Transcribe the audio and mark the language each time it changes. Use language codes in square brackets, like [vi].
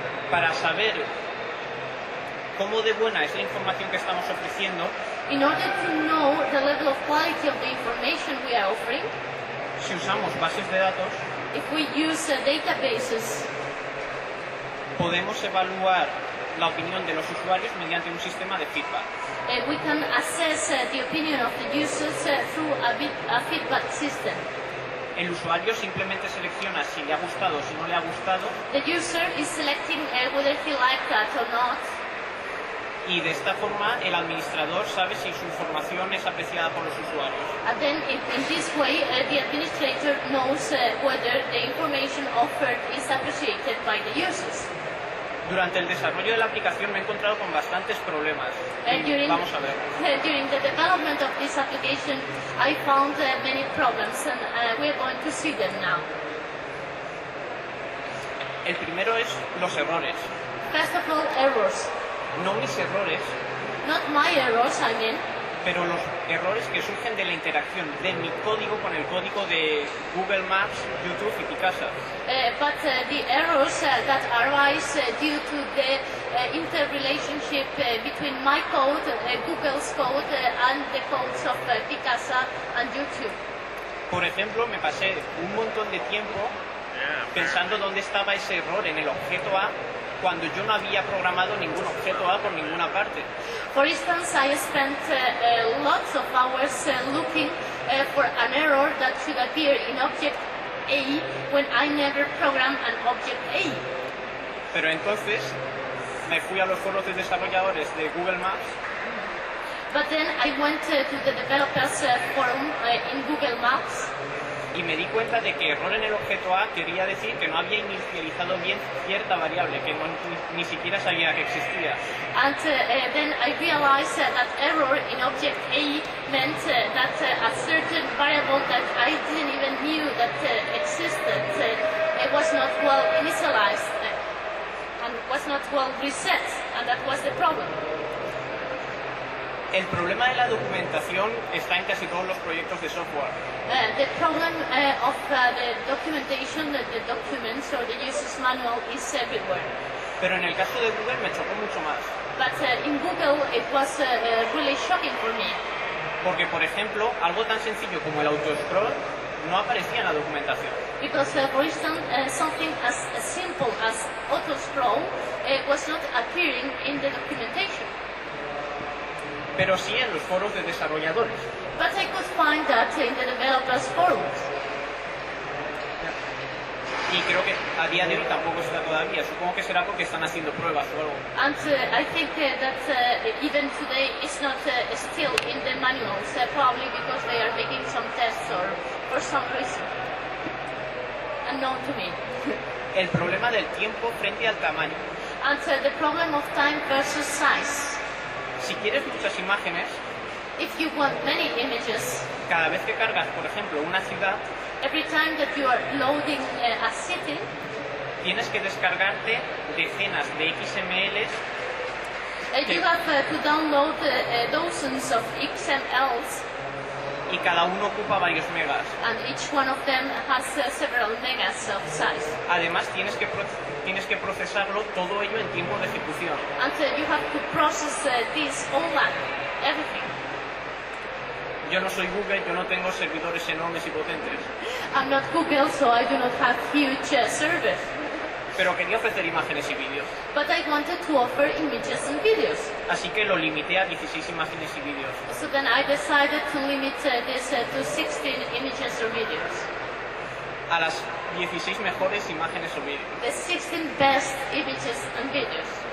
[es] Para saber cómo de buena es la información que estamos ofreciendo. [en] In order to know the level of quality of the information we are offering. [es] Si usamos bases de datos. [en] If we use databases. [es] Podemos evaluar la opinión de los usuarios mediante un sistema de feedback. [en] We can assess the opinion of the users through a feedback system. [es] El usuario simplemente selecciona si le ha gustado o si no le ha gustado. [en] The user is selecting whether he liked that or not. [es] y de esta forma el administrador sabe si su información es apreciada por los usuarios. [en] And then in this way the administrator knows whether the information offered is appreciated by the users. [es] Durante el desarrollo de la aplicación me he encontrado con bastantes problemas. Vamos a ver. [en] During the development of this application I found many problems and we're going to see them now. [es] El primero es los errores. [en] First of all, errors. [es] No mis errores. [en] Not my errors, I mean. [es] Pero los errores que surgen de la interacción de mi código con el código de Google Maps, YouTube y Picasa. [en] But the errors that arise due to the interrelationship between my code, Google's code, and the codes of Picasa and YouTube. [es] Por ejemplo, me pasé un montón de tiempo pensando dónde estaba ese error en el objeto A cuando yo no había programado ningún objeto A por ninguna parte. [en] For instance, I spent lots of hours looking for an error that should appear in object A when I never programmed an object A. [es] Pero entonces me fui a los foros de desarrolladores de Google Maps. [en] But then I went to the developers forum in Google Maps. [es] Y me di cuenta de que error en el objeto A quería decir que no había inicializado bien cierta variable, que no, ni siquiera sabía que existía. [en] And then I realized that error in object A meant that a certain variable that I didn't even knew that existed, it was not well initialized and was not well reset, and that was the problem. [es] El problema de la documentación está en casi todos los proyectos de software. [en] The problem of the documentation, the documents or the user's manual is everywhere. [es] Pero en el caso de Google me chocó mucho más. [en] But in Google it was really shocking for me. [es] Porque por ejemplo, algo tan sencillo como el autoscroll no aparecía en la documentación. [en] Because for instance, something as simple as autoscroll was not appearing in the documentation. [es] Pero sí en los foros de desarrolladores. [en] But I could find that in the developers forums. [es] Y creo que a día de hoy tampoco está todavía. Supongo que será porque están haciendo pruebas o algo. [en] And I think that even today it's not still in the manuals, probably because they are making some tests or for some reason unknown to me. [es] El problema del tiempo frente al tamaño. [en] And the problem of time versus size. [es] Si quieres muchas imágenes, [en] if you want many images, [es] cada vez que cargas, por ejemplo, una ciudad, [en] every time that you are loading a city, [es] tienes que descargarte decenas de XMLs. [en] You have to download dozens of XMLs. [es] Y cada uno ocupa varios megas. [en] And each one of them has several megas of size. [es] Además, tienes que procesarlo todo ello en tiempo de ejecución. [en] Until you have to process this all that, everything. [es] Yo no soy Google, yo no tengo servidores enormes y potentes. [en] I'm not Google, so I do not have huge servers. [es] Pero quería ofrecer imágenes y vídeos. [en] But I wanted to offer images and videos. [es] Así que lo limité a 16 imágenes y vídeos. [en] So then I decided to limit this to 16 images or videos. [es] A las 16 mejores imágenes o vídeos. [en] The 16 best images and videos.